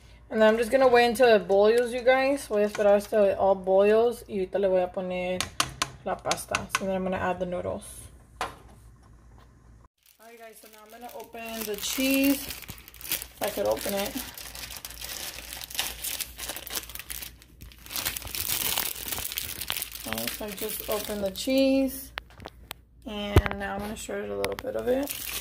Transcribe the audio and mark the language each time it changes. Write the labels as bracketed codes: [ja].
[en] And then I'm just gonna wait until it boils, you guys. [es] Voy a esperar hasta [en] it all boils. [es] Y ahorita le voy a poner la pasta. [en] So then I'm gonna add the noodles. Alright, guys, so now I'm gonna open the cheese. If I could open it. Okay, so I just opened the cheese. And now I'm gonna shred a little bit of it.